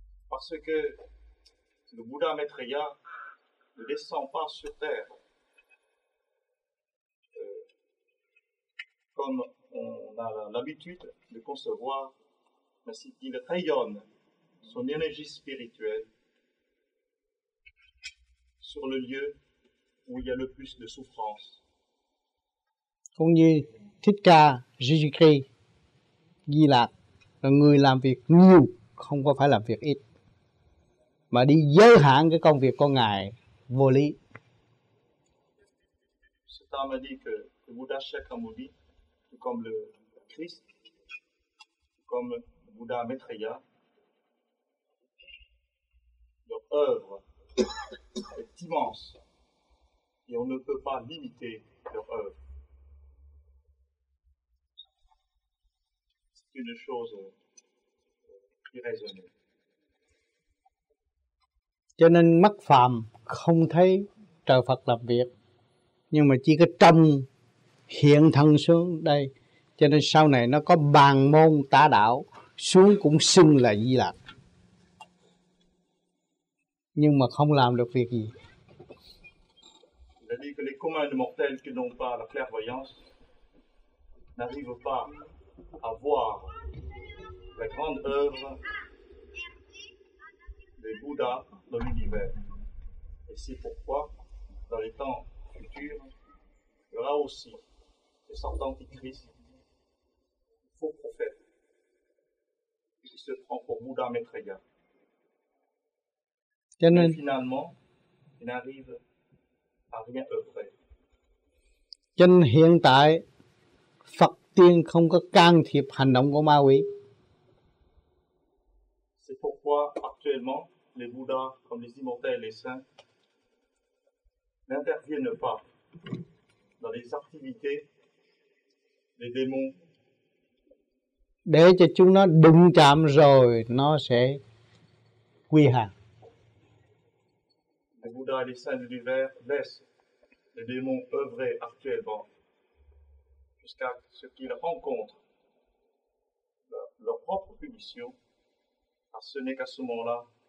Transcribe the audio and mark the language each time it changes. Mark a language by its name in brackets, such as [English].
[French] Parce que le Bouddha Maitreya ne descend pas sur terre comme on a l'habitude de concevoir, mais il rayonne son énergie spirituelle sur le lieu où il y a le plus de souffrance. [Vietnamese] Cũng như Thích Ca, Jésus-Christ, Di Lạc là người làm việc nhiều, không có phải làm việc ít, mà đi giới hạn cái công việc của Ngài vô lý. [French] Cet homme a dit que le Bouddha Shakyamuni, tout comme le Christ, tout comme le Bouddha Maitreya, leur œuvre est immense et on ne peut pas limiter leur œuvre. C'est une chose irraisonnable. [Vietnamese] Cho nên mắt phàm không thấy trời Phật làm việc, nhưng mà chỉ có tâm hiện thân xuống đây. Cho nên sau này nó có bàn môn tả đạo xuống cũng xưng là Di Lạc, nhưng mà không làm được việc gì. [French] Il a dit que les communs de mortels qui n'ont pas la clairvoyance n'arrivent pas à voir la grande œuvre des Bouddhas dans l'univers. Et c'est pourquoi, dans les temps futurs, il y aura aussi des sortes d'antichrist, des faux prophètes, qui se prend pour Bouddha Maitreya. Et finalement, il n'arrive à rien œuvrer. [Vietnamese] Trên hiện tại, Phật tiên không có can thiệp hành động của ma quỷ. [French] C'est pourquoi, actuellement, les Bouddhas, comme les immortels, les saints, n'interviennent pas dans les activités des démons. [Vietnamese] Để cho chúng nó đụng chạm rồi nó sẽ quy hàng. [French] Les Bouddhas, les saints de l'univers laissent les démons œuvrer actuellement jusqu'à ce qu'ils rencontrent leur propre punition. Car ce n'est qu'à ce moment-là.